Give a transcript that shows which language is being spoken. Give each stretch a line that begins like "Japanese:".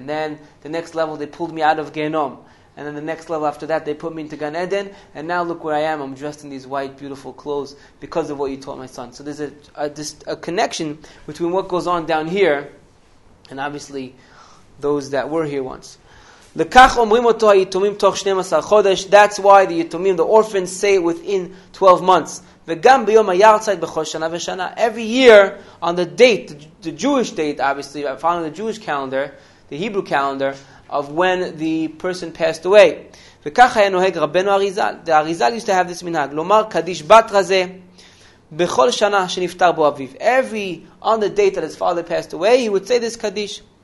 English: And then the next level, they pulled me out of Gehenom. And then the next level after that, they put me into Gan Eden. And now look where I am. I'm dressed in these white, beautiful clothes because of what you taught my son." So there's a connection between what goes on down here and obviously those that were here once.
Hebrew: לכך אומרים אותו היתומים תוך 12 חודש.
English: That's why the yitomim, the orphans, say it within 12 months.
Hebrew: וגם ביום הירצייט בכל שנה ושנה.
English: Every year, on the date, the Jewish date, obviously, following the Jewish calendar, the Hebrew calendar, of when the person passed away.
Hebrew: וכך היה נוהג רבנו אריזל.
English: The Arizal used to have this מנהג.
Hebrew: לומר קדיש בת רזה בכל שנה שנפטר בו אביו.
English: Every, on the date that his father passed away, he would say this קדיש.